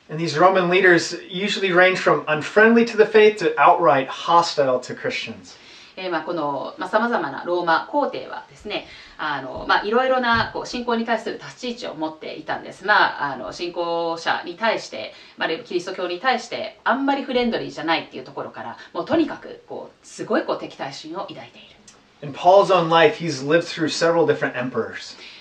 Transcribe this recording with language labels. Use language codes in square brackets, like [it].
[en] And these Roman leaders usually range from unfriendly to the faith to outright hostile to Christians. [ja] この、さまざまなローマ皇帝はですね、いろいろなこう信仰に対する立ち位置を持っていたんです。信仰者に対して、キリスト教に対してあんまりフレンドリーじゃないっていうところから、もうとにかくこうすごいこう敵対心を抱いている。 [en] In Paul's own life, he's lived through several different emperors.